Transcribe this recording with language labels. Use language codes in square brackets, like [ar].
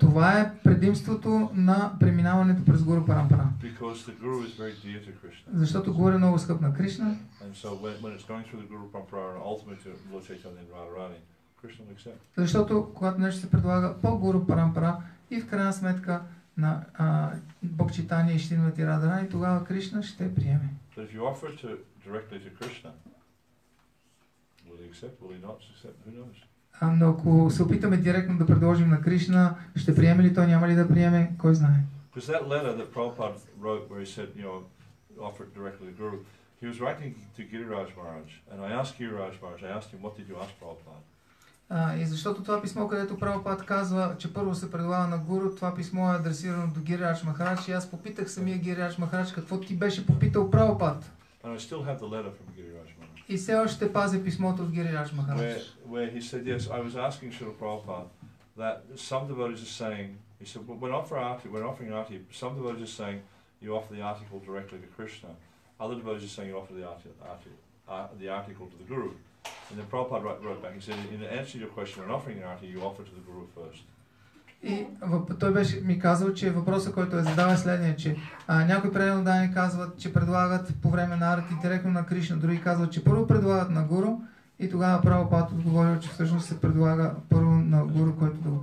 [bg] Това е предимството на преминаването през Гуру Парампара. [en] Because the Guru is very dear to Krishna. [bg] Защото Гуру е много скъп на Кришна. [en] And so when it's going through the Guru Parampara and ultimately to Lord Chaitanya and Radharani, Krishna will accept. [bg] Защото когато нещо се предлага по Гуру Парампара и в крайна сметка на Бог Чайтанья и Шринавати Радара, и тогава Кришна ще приеме. [en] But if you offer to directly to Krishna, will he accept? Will he not accept? Who knows? [bg] Но ако се опитаме директно да предложим на Кришна, ще приеме ли той, няма ли да приеме, кой знае? [en] Because that letter that Prabhupada wrote where he said, you know, offer it directly to Guru, he was writing to Giriraj Maharaj. And I asked Giriraj Maharaj, I asked him, what did you ask Prabhupada? [bg] И защото това писмо, където Прабхупад казва, че първо се предлага на гуру, това писмо е адресирано до Гирирадж Махарадж и аз попитах самия Гирирадж Махарадж какво ти беше попитал Прабхупад. [en] And I still have the letter from Гирирадж Махарадж. [bg] И все още пазя писмото от Гирирадж Махарадж. [en] Where he said, yes, I was asking Srila Prabhupad that some devotees are saying, he said, when offering arti, some devotees are saying you offer the article directly to Krishna. Other devotees are saying you offer the article to the guru. And then Prabhupada wrote back, he said, in answer to your question, when offering an arti, you offer to the guru first. [bg] И той беше ми казал, че въпросът, който е задава следния, че някои преданни казват, че предлагат по време на арати директно на Кришна, други казват, че първо предлагат на Гуру, и тогава Прабхупад отговорил, че всъщност се предлага първо на Гуру, който да го